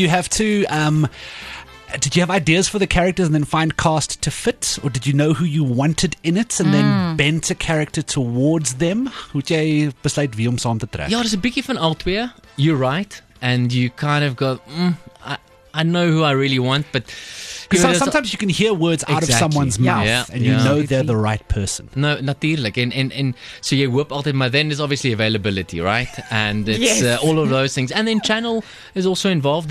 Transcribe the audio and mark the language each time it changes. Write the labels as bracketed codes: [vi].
[en] Did you have ideas for the characters and then find cast to fit? Or did you know who you wanted in it and then bent a character towards them? [af] Hoe jy besluit wie om saam te trek? Ja, dis 'n bietjie van al twee. [en] You're right. And you kind of go, I know who I really want, but sometimes you can hear words out of someone's mouth and you know they're the right person. [af] No, natuurlik. En so jy hoop altyd, maar [en] then there's obviously availability, right? And it's all of those things. And then channel is also involved.